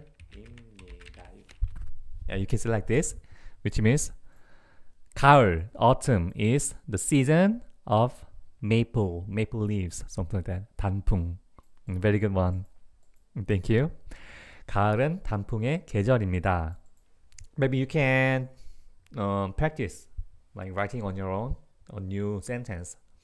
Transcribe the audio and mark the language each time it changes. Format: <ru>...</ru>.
<ko>계절입니다.</ko> <en>Yeah, you can say it like this, which means 가을, autumn is the season of maple leaves, something like that. 단풍. Very good one. Thank you.</en> <ko>가을은 단풍의 계절입니다.</ko> <en>Maybe you can practice like writing on your own a new sentence.</en>